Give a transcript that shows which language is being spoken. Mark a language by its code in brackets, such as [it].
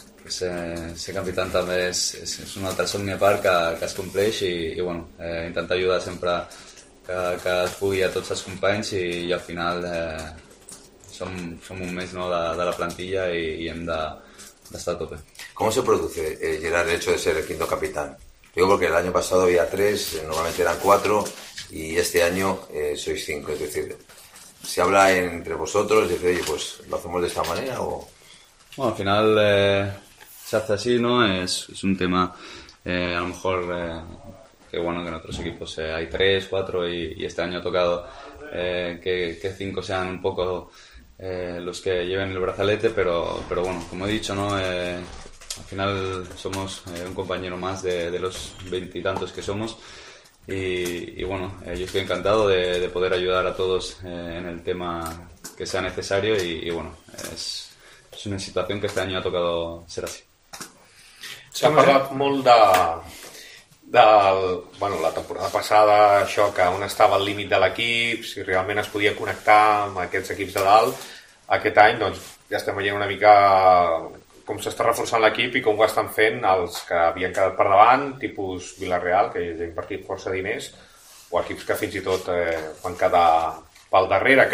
[ca] Ser capitan també és un altre somni a part que es compleix i bueno, intentar ajudar sempre que es pugui a tots els companys i al final som un mes, no, de la plantilla i hem d'estar a tope. [es] ¿Cómo se produce, Gerard, el hecho de ser el quinto capitán? Digo porque el año pasado había tres, normalmente eran cuatro y este año sois cinco. Es decir, ¿se habla entre vosotros? Dice, oye, pues lo hacemos de esta manera o... Bueno, al final se hace así, ¿no? Es un tema, a lo mejor, que bueno, que en otros equipos hay tres, cuatro y este año ha tocado que cinco sean un poco los que lleven el brazalete, pero bueno, como he dicho, ¿no? Al final somos un compañero más de los veintitantos que somos y bueno, yo estoy encantado de poder ayudar a todos en el tema que sea necesario y bueno, es una situación que este año ha tocado ser así. [ca] S'ha parlat molt de bueno, la temporada passada, això que on estava el límit de l'equip, si realment es podia connectar amb aquests equips de dalt. Aquest any doncs, ja estem veient una mica com s'està reforçant l'equip i com ho estan fent els que havien quedat per davant, tipus Villarreal, que ja ha invertit força diners, o equips que fins i tot van quedar pel darrere.